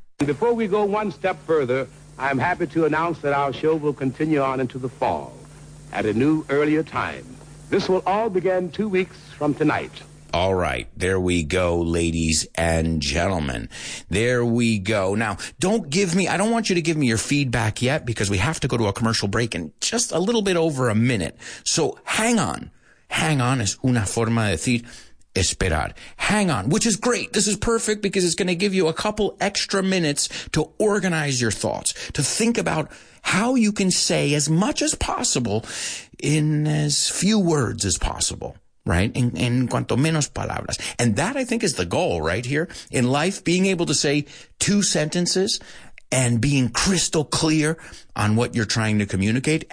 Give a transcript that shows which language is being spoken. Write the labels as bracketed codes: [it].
[en] And before we go one step further, I'm happy to announce that our show will continue on into the fall at a new, earlier time. This will all begin 2 weeks from tonight. All right. There we go, ladies and gentlemen. There we go. Now, I don't want you to give me your feedback yet because we have to go to a commercial break in just a little bit over a minute. So hang on. Hang on is [es] una forma de decir esperar. [en] Hang on, which is great. This is perfect because it's going to give you a couple extra minutes to organize your thoughts, to think about how you can say as much as possible in as few words as possible, right? [es] En cuanto menos palabras. [en] And that, I think, is the goal right here in life, being able to say two sentences and being crystal clear on what you're trying to communicate.